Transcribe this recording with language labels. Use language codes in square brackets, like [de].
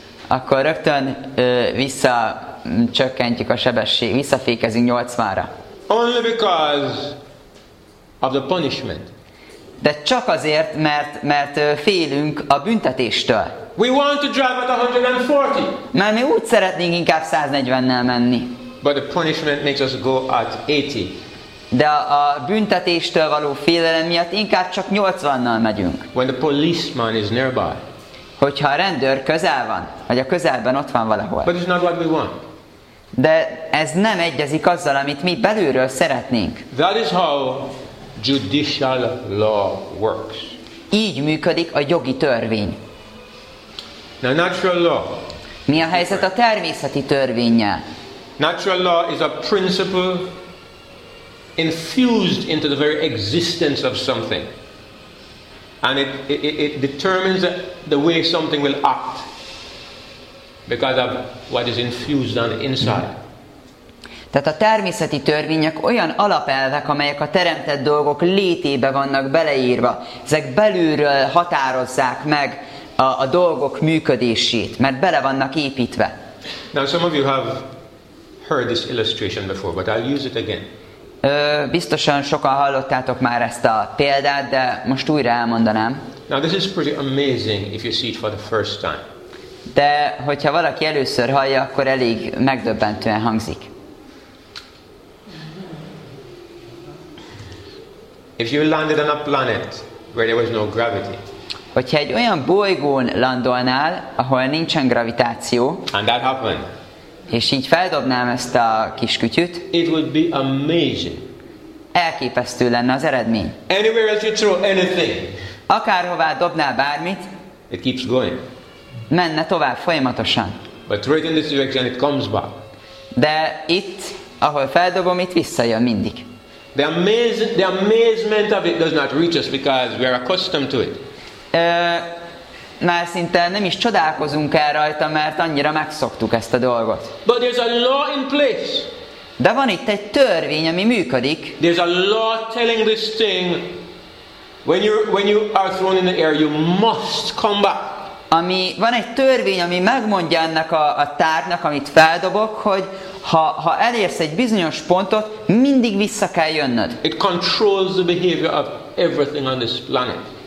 [hu] Akkor rögtön vissza csökkentjük a sebesség, visszafékezünk 80-ra. [en] Only because of the punishment. [hu] De csak azért, mert félünk a büntetéstől. [en] We want to drive at 140. [hu] Mert mi úgy szeretnénk inkább 140-nel menni. [en] But the punishment makes us go at 80. [hu] De a büntetéstől való félelem miatt inkább csak 80-nal megyünk. [en] When the policeman is nearby. [hu] Hogyha a rendőr közel van, vagy a közelben ott van valahol. [en] But it's not what we want. [hu] De ez nem egyezik azzal, amit mi belülről szeretnénk. [en] That is how judicial law works. [hu] Így működik a jogi törvény. [en] Now, natural law. [hu] Mi a helyzet a természeti törvénnyel? [en] Natural law is a principle infused into the very existence of something, and it determines the way something will act because of what is infused on the inside. [hu] Tehát a természeti törvények olyan alapelvek, amelyek a teremtett dolgok létébe vannak beleírva. Ezek belülről határozzák meg a dolgok működését, mert bele vannak építve. [en] Now some of you have heard this illustration before, but I'll use it again. [hu] Biztosan sokan hallottátok már ezt a példát, de most újra elmondanám. [en] Now this is pretty amazing if you see it for the first time. [hu] De hogyha valaki először hallja, akkor elég megdöbbentően hangzik. [en] If you landed on a planet where there was no gravity. [hu] Hogyha egy olyan bolygón landolnál, ahol nincsen gravitáció, [en] and that happened, [hu] és így feldobnám ezt a kis kütyüt, [en] it would be amazing. [hu] Elképesztő lenne az eredmény. [en] Anywhere else you throw anything, [hu] akárhová dobnál bármit, [en] it keeps going. [hu] Menne tovább folyamatosan. [en] But right in this direction it comes back. [hu] De itt, ahol feldobom, itt visszajön mindig. [en] The amazement of it does not reach us because we are accustomed to it. [hu] Már szinte nem is csodálkozunk el rajta, mert annyira megszoktuk ezt a dolgot. [en] But there's a law in place. [hu] De van itt egy törvény, ami működik. [en] There's a law telling this thing, when you are thrown in the air, you must come back. [hu] Ami van egy törvény, ami megmondja ennek a tárgynak, amit feldobok, hogy ha elérsz egy bizonyos pontot, mindig vissza kell jönnöd. [en] It controls the behavior of everything on this planet.